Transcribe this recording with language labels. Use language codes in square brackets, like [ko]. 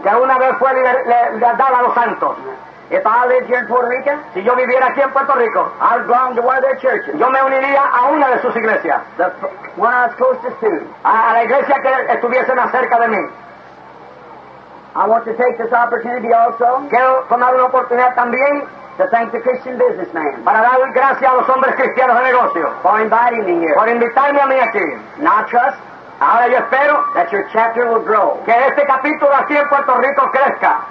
[es] Que una vez fue dada a los santos. [en] If I lived here in Puerto Rico, si yo viviera aquí en Puerto Rico, I'd belong to one of their churches. [es] Yo me uniría a una de sus iglesias. The one I was closest to. A la iglesia que estuviese más cerca de mí. [en] I want to take this opportunity also. [es] Quiero tomar una oportunidad también. [en] To thank the Christian businessman. [es] Para dar gracias a los hombres cristianos de negocio. [en] For inviting me here. Por invitarme a mí aquí. Now trust. Ahora yo espero that your chapter will grow. [es] Que este capítulo aquí en Puerto Rico crezca.